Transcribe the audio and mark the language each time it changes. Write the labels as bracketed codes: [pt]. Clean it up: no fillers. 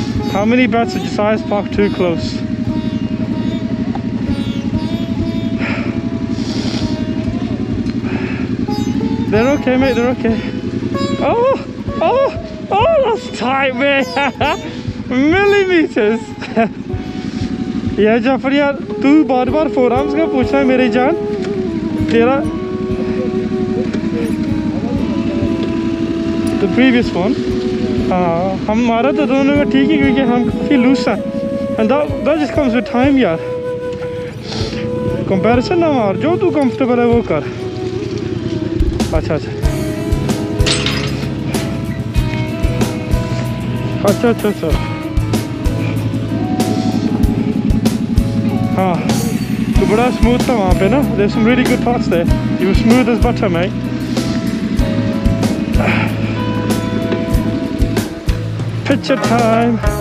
[en] How many bats did your size park too close? They're okay, mate, they're okay. Oh, oh, oh, that's tight, mate. Millimeters. [hi] Yeah, Jafar, यार, तू बार बार forearms का पूछता है मेरे जान. Tera. [en] The previous one. [hi] हम मारा तो दोनों का ठीक है क्योंकि हम काफ़ी लूज़ हैं. [en] And that just comes with time, yaar. [hi] Comparison ना मार, जो तू comfortable है वो कर. अच्छा अच्छा. अच्छा अच्छा अच्छा. [en] Ah, but that's smooth though, man. There's some really good parts there. You were smooth as butter, mate. Picture time.